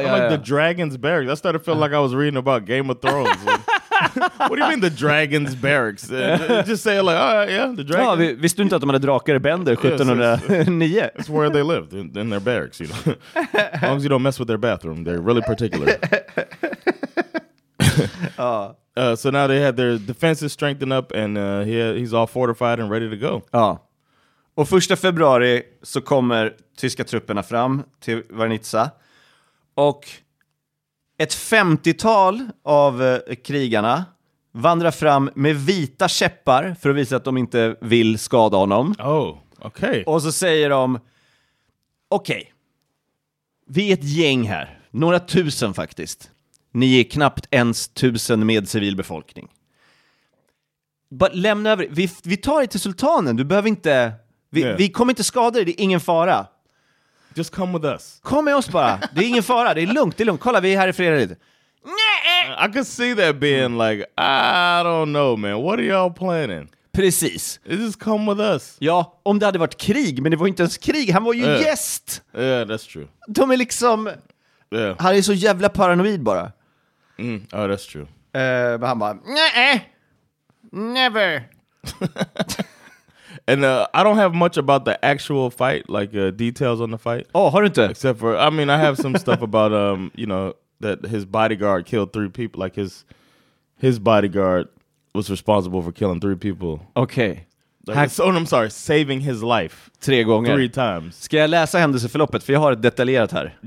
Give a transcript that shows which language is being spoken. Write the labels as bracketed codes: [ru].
[en] The dragon's barracks. I started feeling like I was reading about Game of Thrones. What do you mean the dragon's barracks? Just say like, oh yeah, the dragon. [sv] Ja, visste du inte att de hade drakar i Bender 1709? [en] Yes, it's where they lived, in their barracks, you know. As long as you don't mess with their bathroom, they're really particular. So now they had their defenses strengthened up and he's all fortified and ready to go. [sv] Ja. Och 1 februari så kommer tyska trupperna fram till Varenitsa. Och ett 50-tal av krigarna vandrar fram med vita käppar för att visa att de inte vill skada honom. Oh, okej. Okay. Och så säger de, okej, vi är ett gäng här. Några tusen faktiskt. Ni är knappt ens 1000 med civilbefolkning. Bara lämna över. Vi tar er till sultanen. Du behöver inte. Vi kommer inte skada dig. Det är ingen fara. [en] Just come with us. [sv] Kom med oss bara. Det är ingen fara. Det är lugnt. Det är lugnt. Kolla, vi är här i fredag. [en] I could see that being like, I don't know, man. What are y'all planning? [sv] Precis. [en] Just come with us. [sv] Ja, om det hade varit krig. Men det var inte ens krig. Han var ju gäst. [en] Yeah, that's true. [sv] De är liksom... Yeah. Han är så jävla paranoid bara. [en] Mm. Oh, that's true. [sv] Men han bara, nej. [en] Never. And I don't have much about the actual fight, like details on the fight. [sv] Oh, har du inte? [en] Except for, I mean, I have some stuff about, you know, that his bodyguard killed three people. Like his bodyguard was responsible for killing three people. Okay. I'm sorry, saving his life. [sv] Tre gånger. [en] Three times. [sv] Ska jag läsa händelseförloppet? För jag har det detaljerat här.